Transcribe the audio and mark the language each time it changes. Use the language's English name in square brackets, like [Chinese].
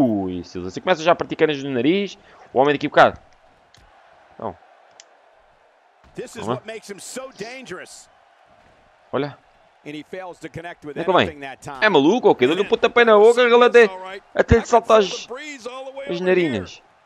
[Portuguese] Isso, você começa já a partir canas no nariz, o homem daqui um bocado. Então, [English] this is what makes him so dangerous. [Portuguese] Olha. [English] And he fails to connect with anything that time. [Portuguese] É maluco, ok? Dá-lhe um pontapé na boca, galera, até lhe saltar as narinas.